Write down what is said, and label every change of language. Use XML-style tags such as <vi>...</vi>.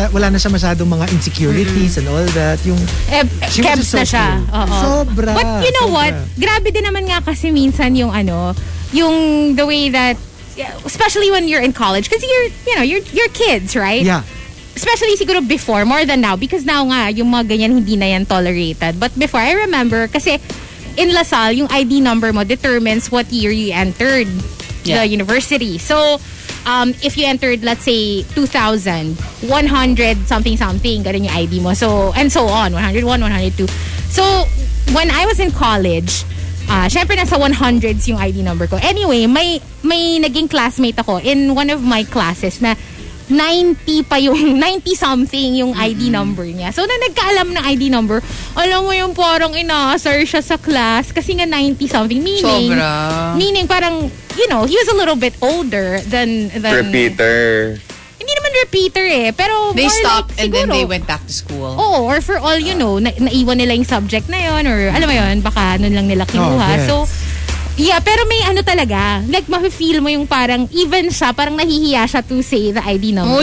<tl>siya, wala na siya masyadong mga insecurities</tl> <en>and all that.</en> <tl>Yung,</tl> <en>she was just so</en> <tl>na siya.</tl> <en>Cool.</en> <tl>Sobra.</tl> <en>But you know</en> <tl>sobra.</tl> <en>What?</en> <tl>Grabe din naman nga kasi minsan yung ano, yung</tl> <en>the way that, especially when you're in college, because you're kids, right? Yeah. Especially</en> <tl>siguro</tl> <en>before, more than now. Because now</en> <tl>nga, yung mga ganyan, hindi na yan tolerated.</tl> <en>But before, I remember,</en> <tl>kasi,</tl> <en>in LaSalle, yung ID number mo determines what year you entered the university. So, if you entered, let's say, 2000, 100 something something,</en> <tl>ganun yung ID mo.</tl> <en>So, and so on, 101, 102. So, when I was in college,</en> <tl>syempre nasa</tl> <en>100s yung ID number ko.</en> <tl>Anyway, may naging classmate ako</tl> <en>in one of my classes</en> <tl>na 90 pa yung 90 something yung ID number niya. So na nagkaalam ng ID number, alam mo yung parang inaasar siya sa class kasi nga 90 something</tl> <en>meaning.</en> <tl>Sobra.</tl> <en>Meaning</en> <tl>parang,</tl> <en>you know, he was a little bit older than repeater.</en> <tl>Hindi naman repeater eh, pero</tl> <en>they stopped like,</en> <tl>siguro,</tl> <en>then they went back to school. Oh, or for all you know,</en> <tl>naiwan nila yung subject na yon or alam mo yon, baka noon lang nila kinuha.</tl> <en>Oh, yes. So yeah,</en> <tl>pero may ano talaga. Like, ma-feel mo yung parang, even siya, parang nahihiya siya</tl> <en>to say the ID number.</en>